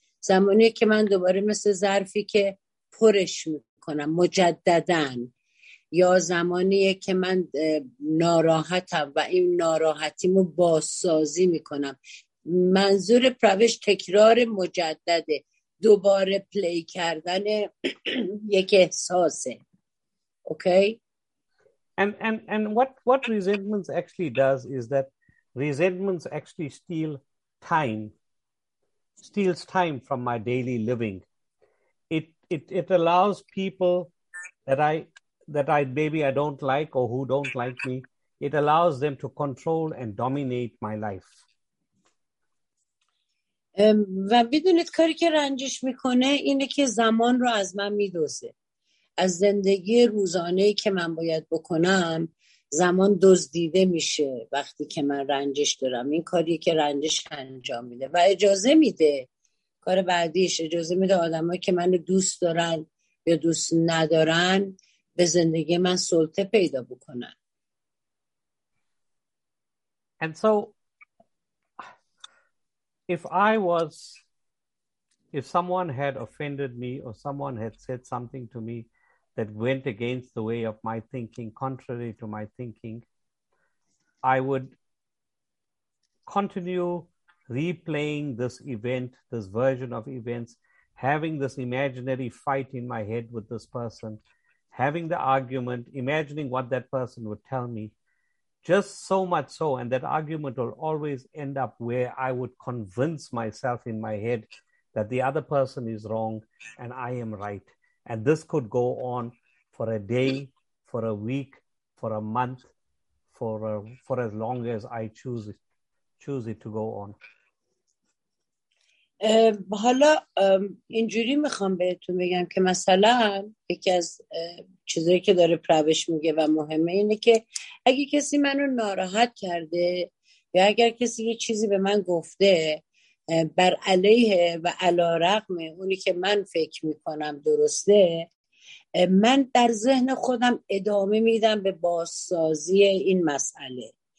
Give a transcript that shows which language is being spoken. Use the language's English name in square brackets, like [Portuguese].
[Persian] زمانی که من دوباره مثل ظرفی که پرش میکنم مجددن، یا زمانی که من ناراحتم و این ناراحتیمو بازسازی میکنم، منظور پروش تکرار مجدده، دوباره پلی کردن یک احساسه. اوکی. [English] And what resentments actually does is that resentments actually steals time from my daily living. It allows people that I maybe I don't like or who don't like me, it allows them to control and dominate my life. [Persian] و بدونید کاری که رنجش میکنه اینه که زمان رو از من میدوزه، از زندگی روزانه ای که من باید بکنم زمان دزدیده میشه وقتی که من رنجش دارم. این کاری که رنجش انجام میده و اجازه میده کار بعدیش، اجازه میده آدمایی که منو دوست دارن یا دوست ندارن به زندگی من سلطه پیدا بکنن. [English] And so if someone had offended me or someone had said something to me that went against the way of my thinking, contrary to my thinking, I would continue replaying this event, this version of events, having this imaginary fight in my head with this person, having the argument, imagining what that person would tell me, just so much so, and that argument will always end up where I would convince myself in my head that the other person is wrong and I am right. And this could go on for a day, for a week, for a month, for as long as I choose it to go on. [Persian] حالا اینجوری میخوام بهتون بگم که مثلا یکی از چیزایی که داره پروش میگه و مهمه اینه که اگه کسی منو ناراحت کرده یا اگر کسی یه چیزی به من گفته بر علیه و علارغم اونی که من فکر میکنم درسته، من در ذهن خودم ادامه میدم به بازسازی این مسئله.